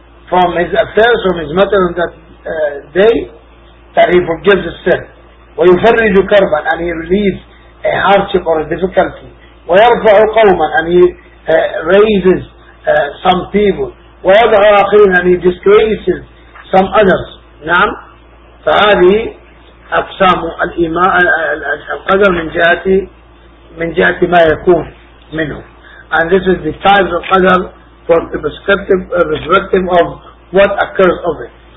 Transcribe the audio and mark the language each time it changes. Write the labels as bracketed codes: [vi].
[en] From his affairs, from his matter on that day, that he forgives the sin. [ar] ويفرج كربا, [en] and he relieves a hardship or a difficulty. [ar] ويرفع قوما, [en] and he raises some people. [ar] ويضع آخرين, [en] and he disgraces some others. نعم. [ar] فهذه أقسام الإيمان القدر من جهة ما يكون منه. [en] And this is the types of qadr from the perspective of what occurs of it.